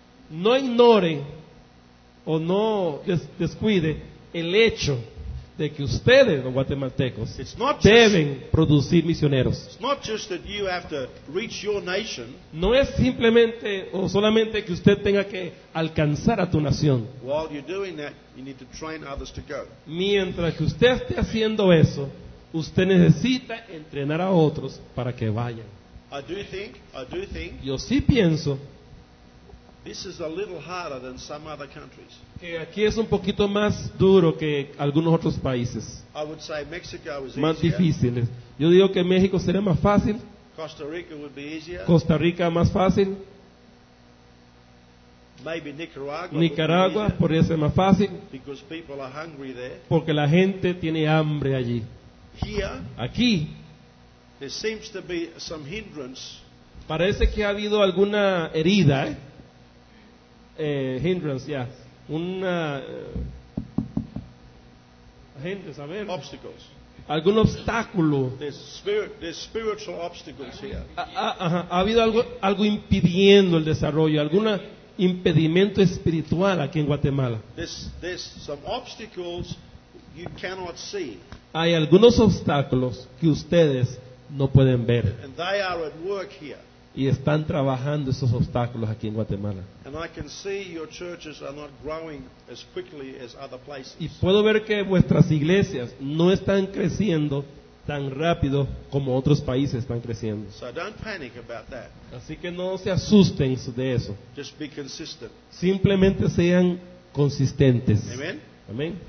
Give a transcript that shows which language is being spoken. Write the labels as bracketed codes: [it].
[es] No ignore o no descuide el hecho de que ustedes, los guatemaltecos, deben producir misioneros. [en] It's not just that you have to reach your nation. [es] No es simplemente o solamente que usted tenga que alcanzar a tu nación. [en] While you're doing that, you need to train others to go. [es] Mientras que usted esté haciendo eso, usted necesita entrenar a otros para que vayan. [en] I do think. [es] Yo sí pienso. [en] This is a little harder than some other countries. [es] Que aquí es un poquito más duro que algunos otros países. [en] I would say Mexico is [es] más difícil. Yo digo que México sería más fácil. [en] Costa Rica would be easier. [es] Costa Rica más fácil. [en] Maybe Nicaragua. [es] Nicaragua podría ser más fácil. [en] Because people are hungry there. [es] Porque la gente tiene hambre allí. [en] Here. [es] Aquí. [en] There seems to be some hindrance. [es] Parece que ha habido alguna herida, hindrance, ya. Yeah. Una gente, a ver. [en] Obstacles. [es] Algún obstáculo. [en] Spiritual obstacles here. [es] Ha habido algo impidiendo el desarrollo, algún impedimento espiritual aquí en Guatemala. [en] There's some obstacles you cannot see. [es] Hay algunos obstáculos que ustedes no pueden ver. [en] And they are at work here. [es] Y están trabajando esos obstáculos aquí en Guatemala. [en] And I can see your churches are not growing as quickly as other places. [es] Y puedo ver que vuestras iglesias no están creciendo tan rápido como otros países están creciendo. [en] So don't panic about that. [es] Así que no se asusten de eso. [en] Just be consistent. [es] Simplemente sean consistentes. [en] Amen. Amen.